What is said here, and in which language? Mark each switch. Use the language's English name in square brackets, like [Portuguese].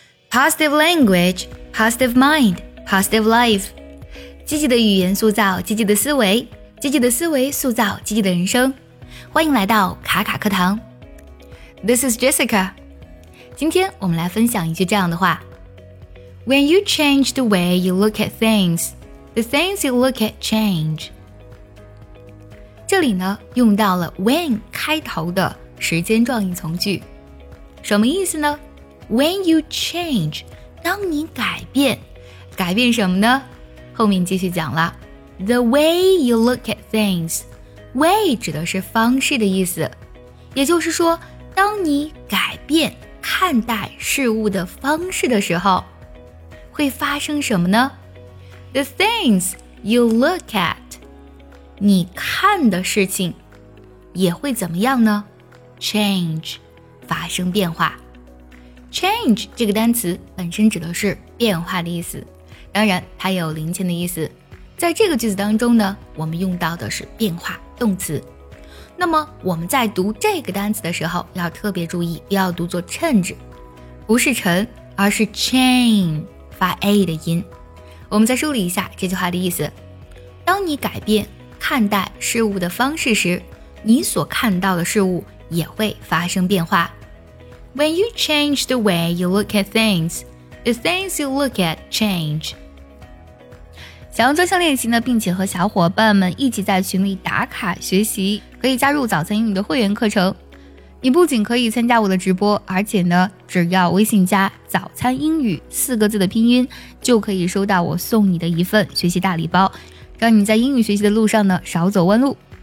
[English] Positive language, positive mind, positive life. [Chinese] 积极的语言塑造积极的思维，积极的思维塑造积极的人生。欢迎来到卡卡课堂。 [English] This is Jessica. [Chinese] 今天我们来分享一句这样的话。 [English] When you change the way you look at things, the things you look at change. [Chinese] 这里呢，用到了 when 开头的时间状语从句。什么意思呢？ [English] When you change, [Chinese] 当你改变，改变什么呢？后面继续讲了。 [English] The way you look at things, way [Chinese] 指的是方式的意思。也就是说，当你改变看待事物的方式的时候，会发生什么呢？ [English] The things you look at, [Chinese] 你看的事情也会怎么样呢？ Change, 发生变化。Change 这个单词本身指的是变化的意思，当然它有零钱的意思。在这个句子当中呢，我们用到的是变化动词。那么我们在读这个单词的时候要特别注意，不要读作 change， 不是陈，而是 chain， 发 a 的音。我们再梳理一下这句话的意思。当你改变看待事物的方式时，你所看到的事物也会发生变化。 [English] When you change the way you look at things, the things you look at change. [Chinese] 想要专项练习呢，并且和小伙伴们一起在群里打卡学习，可以加入早餐英语的会员课程。你不仅可以参加我的直播，而且呢，只要微信加早餐英语四个字的拼音，就可以收到我送你的一份学习大礼包，让你在英语学习的路上呢，少走弯路。